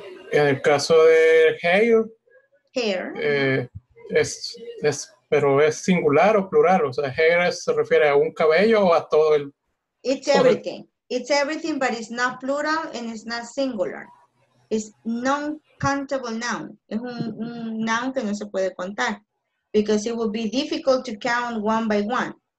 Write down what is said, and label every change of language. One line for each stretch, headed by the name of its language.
Spanish: En el caso de hair,
English: hair.
Spanish: Es, pero es singular o plural, o sea, hair es, se refiere a un cabello o a todo el...
English: It's everything. It's everything, but it's not plural and it's not singular. It's non-countable noun.
Spanish: Es un noun que no se puede contar.
English: Because it would be difficult to count one by one.